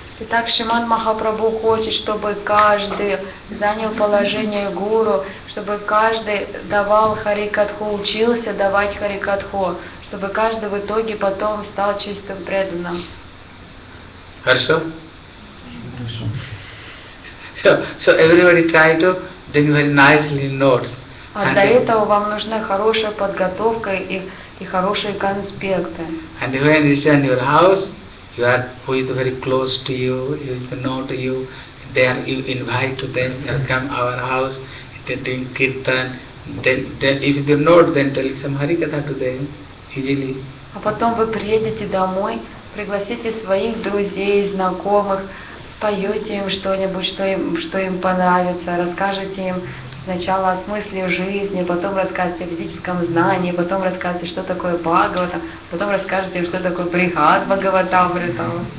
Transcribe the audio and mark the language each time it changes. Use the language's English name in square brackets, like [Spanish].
[Russian] Так Шриман Махапрабху хочет, чтобы каждый занял положение гуру, чтобы каждый давал харикатху, учился давать харикатху, чтобы каждый в итоге потом стал чистым преданным. Хорошо? [English] So everybody try to then very nicely notes. [Russian] А для этого вам нужна хорошая подготовка и хорошие конспекты. [English] And when you return your house, you are, who is very close to you, who is known to you, then you invite to them, they come to our house, they drink kirtan, then if they are not, then tell some harikatha to them, easily. [Russian] А потом вы приедете домой, пригласите своих друзей, знакомых, споете им что-нибудь, что им понравится, расскажете им сначала о смысле жизни, потом расскажете о физическом знании, потом расскажете, что такое Бхагавата, потом расскажете им, что такое Брихат Бхагавата Амрита.